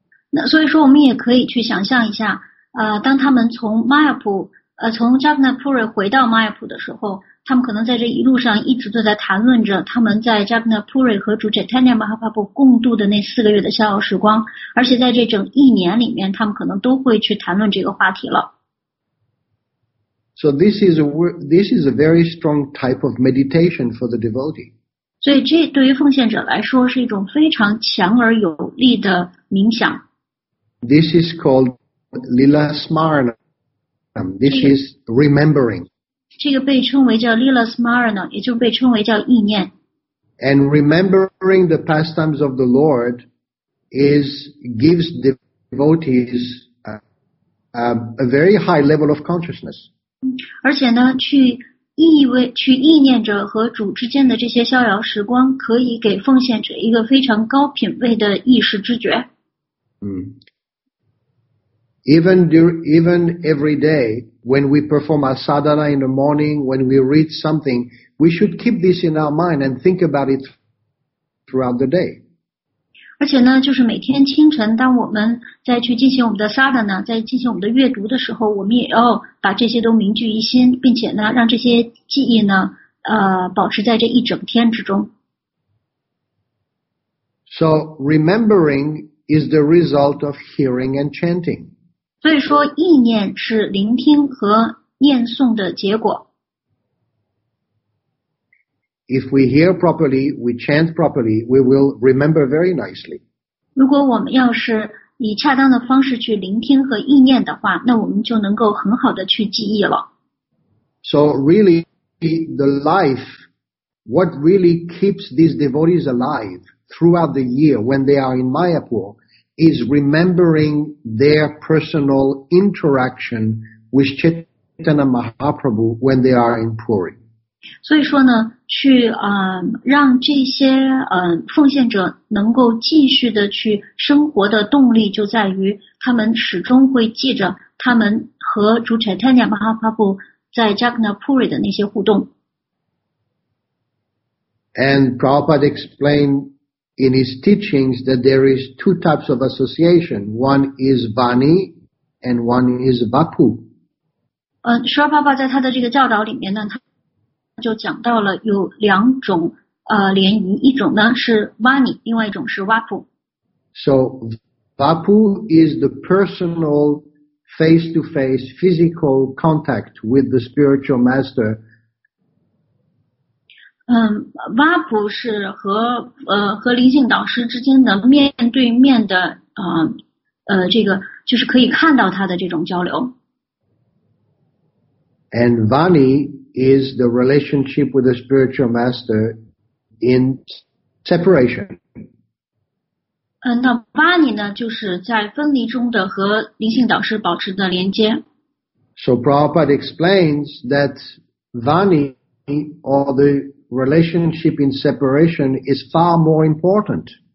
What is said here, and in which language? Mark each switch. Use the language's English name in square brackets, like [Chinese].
[Chinese] 那所以说我们也可以去想象一下，当他们从 Mayapur， 从 Jagannath Puri 回到 Mayapur 的时候，他们可能在这一路上一直都在谈论着他们在 Jagannath Puri 和主 Chaitanya Mahaprabhu 共度的那四个月的逍遥时光，而且在这整一年里面，他们可能都会去谈论这个话题了。 [English] So this is a very strong type of meditation for the devotee. [Chinese] 所以这对于奉献者来说是一种非常强而有力的冥想。 [English] This is called Lila Smarana. This is remembering. [Chinese] 这个被称为叫 Lila Smarana， 也就被称为叫意念。 [English] And remembering the pastimes of the Lord gives devotees a very high level of consciousness. [Chinese] 而且呢，去意念着和主之间的这些逍遥时光，可以给奉献者一个非常高品位的意识知觉。 [English] Even every day. When we perform our sadhana in the morning, when we read something, we should keep this in our mind and think about it throughout the day. [Chinese] 而且呢，就是每天清晨，当我们在去进行我们的 sadhana， 在进行我们的阅读的时候，我们也要把这些都铭记于心，并且呢，让这些记忆呢，保持在这一整天之中。 [English] So remembering is the result of hearing and chanting. [Chinese] 所以说意念是聆听和念诵的结果。 [English] If we hear properly, we chant properly, we will remember very nicely. [Chinese] 如果我们要是以恰当的方式去聆听和意念的话，那我们就能够很好的去记忆了。 [English] So really, the life, what really keeps these devotees alive throughout the year when they are in Mayapur,is remembering their personal interaction with Chaitanya Mahaprabhu when they are in Puri. [Chinese] 所以说呢，去让这些奉献者能够继续的去生活的动力就在于他们始终会记着他们和主 Chaitanya Mahaprabhu 在 Jagannath Puri 的那些互动。 [English] And Prabhupada explainedIn his teachings that there is two types of association. One is Vani and one is Vapu. [Chinese] 舍巴巴在他的这个教导里面呢他就讲到了有两种联谊，一种呢是 Vani, 另外一种是 Vapu. [English] So Vapu is the personal face-to-face physical contact with the spiritual master. [Chinese] 瓦普是和灵性导师之间的面对面的这个就是可以看到他的这种交流。 [English] And Vani is the relationship with the spiritual master in separation. [Chinese] 那Vani呢就是在分离中的和灵性导师保持的连接。 [English] So Prabhupada explains that Vani or the relationship in separation is far more important.